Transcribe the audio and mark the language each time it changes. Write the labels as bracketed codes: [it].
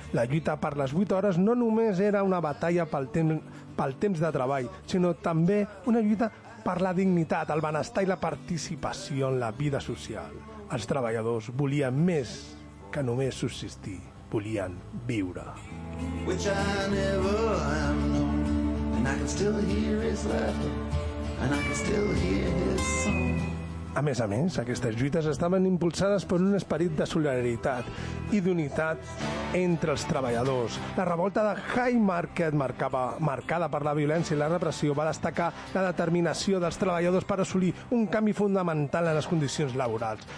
[ca] La lluita per les 8 hores no només era una batalla pel temps de treball, sinó també una lluita per la dignitat, el benestar i la participació en la vida social. Els treballadors volien més que només subsistir, volien viure. [en] Which I never have known, and I can still hear his laughter, and I can still hear his song. [ca] A més, aquestes lluites estaven impulsades per un esperit de solidaritat i d'unitat entre els treballadors. La revolta de High Market, marcada per la violència i la repressió, va destacar la determinació dels treballadors per assolir un canvi fonamental en les condicions laborals.